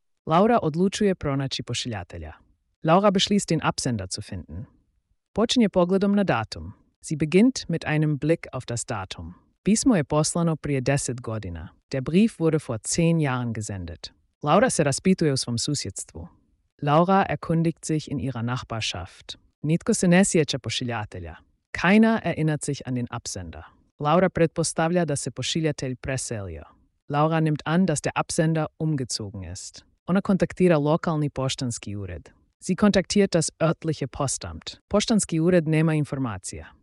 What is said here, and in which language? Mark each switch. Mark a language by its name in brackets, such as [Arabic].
[Croatian] Laura odlučuje pronaći pošiljatelja. [German] Laura beschließt, den Absender zu finden. [Croatian] Počinje pogledom na datum. [German] Sie beginnt mit einem Blick auf das Datum. [Croatian] Pismo je poslano prije 10 godina. [German] Der Brief wurde vor 10 Jahren gesendet. [Croatian] Laura se raspituje u svom susjedstvu. [German] Laura erkundigt sich in ihrer Nachbarschaft. [Croatian] Nitko se ne sjeća pošiljatelja. [German] Keiner erinnert sich an den Absender. [Croatian] Laura pretpostavlja da se pošiljatelj preselio. [German] Laura nimmt an, dass der Absender umgezogen ist. [Croatian] Ona kontaktira lokalni poštanski ured. [German] Sie kontaktiert das örtliche Postamt. [Croatian] Poštanski ured nema informacija.